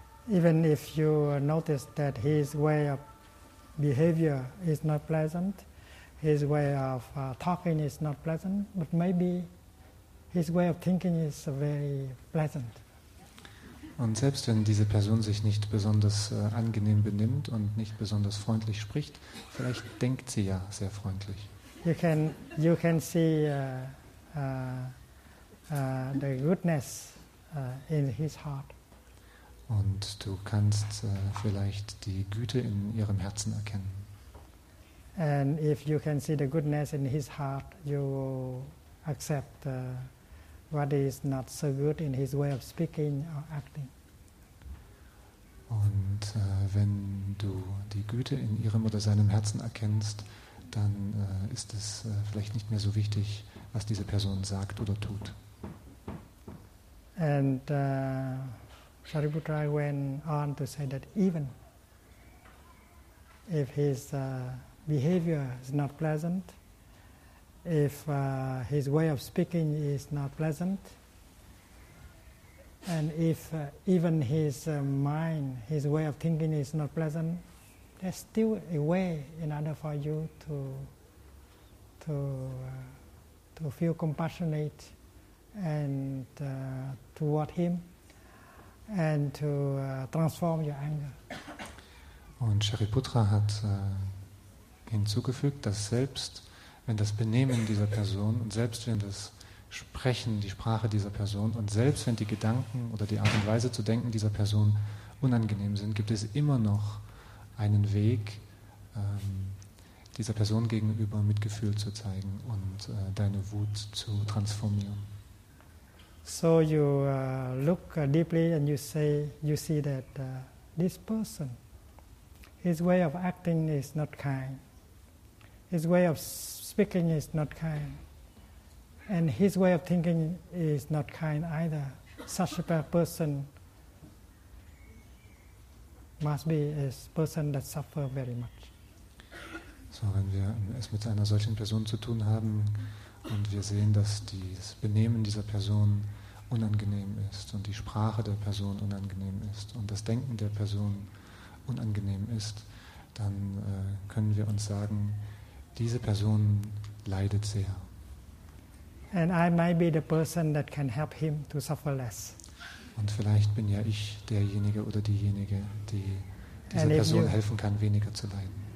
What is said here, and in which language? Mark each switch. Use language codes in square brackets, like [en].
[en] Even if you notice that his way of behavior is not pleasant, his way of talking is not pleasant, but maybe his way of thinking is very pleasant. [de] Und selbst wenn diese Person sich nicht besonders angenehm benimmt und nicht besonders freundlich spricht, vielleicht denkt sie ja sehr freundlich. [en] You can see the goodness in his heart. [de] Und du kannst vielleicht die Güte in ihrem Herzen erkennen. [en] And if you can see the goodness in his heart, you accept what is not so good in his way of speaking or acting. [de] Und wenn du die Güte in ihrem oder seinem Herzen erkennst, dann ist es vielleicht nicht mehr so wichtig, was diese Person sagt oder tut. [en] And Shariputra went on to say that even if his behavior is not pleasant, if his way of speaking is not pleasant, and if even his mind, his way of thinking is not pleasant, there's still a way in order for you to feel compassionate and toward him, and to transform your anger. [de] Und Shariputra hat hinzugefügt, dass selbst wenn das Benehmen dieser Person und selbst wenn das Sprechen, die Sprache dieser Person und selbst wenn die Gedanken oder die Art und Weise zu denken dieser Person unangenehm sind, gibt es immer noch einen Weg, dieser Person gegenüber Mitgefühl zu zeigen und deine Wut zu transformieren. [en] So you look deeply and you say, you see that this person, his way of acting is not kind. His way of speaking is not kind. And his way of thinking is not kind either. Such a person must be a person that suffers very much. [de] So, wenn wir es mit einer solchen Person zu tun haben und wir sehen, dass das Benehmen dieser Person unangenehm ist und die Sprache der Person unangenehm ist und das Denken der Person unangenehm ist, dann können wir uns sagen, diese Person leidet sehr. [en] And I might be the person that can help him to suffer less. [de] Und vielleicht bin ja ich derjenige oder diejenige, die dieser Person helfen kann, weniger zu leiden.